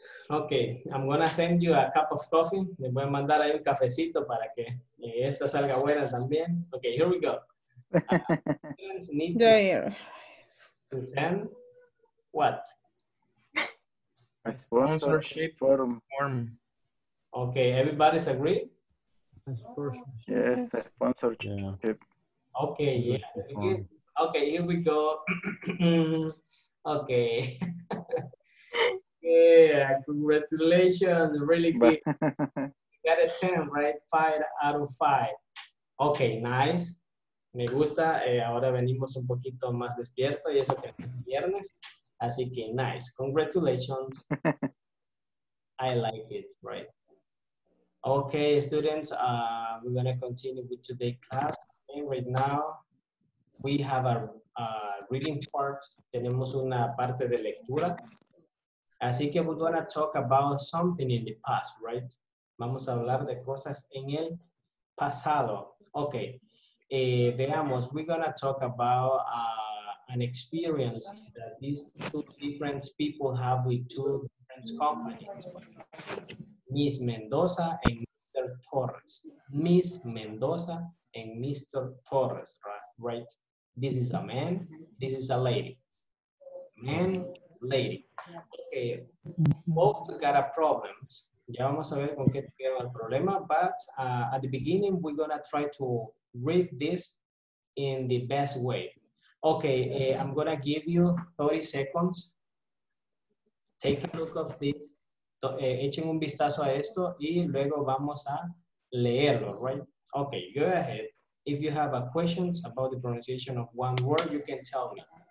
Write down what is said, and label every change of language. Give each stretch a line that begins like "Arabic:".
English: Okay, I'm gonna send you a cup of coffee.
Spanish: Les voy a mandar ahí un cafecito para que esta salga buena también.
English: Okay, here we go. Students need to send what? A sponsorship form. Okay, everybody's agree? Yes, a sponsorship. Yeah. Okay, yeah. Okay, here we go. Okay. Yeah, congratulations. Really good. You got a 10, right? 5 out of 5. Okay, nice.
Spanish: Me gusta. Ahora venimos un poquito más despierto y eso que es viernes. Así que
English: nice. Congratulations. I like it, right? Okay, students, we're going to continue with today's class. Okay, right now. We have a reading part.
Spanish: Tenemos una parte de lectura. Así que
English: we're going to talk about something in the past, right?
Spanish: Vamos a hablar de cosas en el pasado.
English: Okay.
Spanish: Veamos,
English: we're going to talk about an experience that these two different people have with two different companies. Miss Mendoza and Mr. Torres. Miss Mendoza and Mr. Torres, right? This is a man, this is a lady. Man, lady. Okay, both got a problem.
Spanish: Ya vamos a ver con qué tiene el problema,
English: but at the beginning, we're gonna try to read this in the best way. Okay, I'm gonna give you 30 seconds. Take a look of this.
Spanish: Echen un vistazo a esto y luego vamos a leerlo, right?
English: Okay, go ahead. If you have a question about the pronunciation of one word, you can tell me.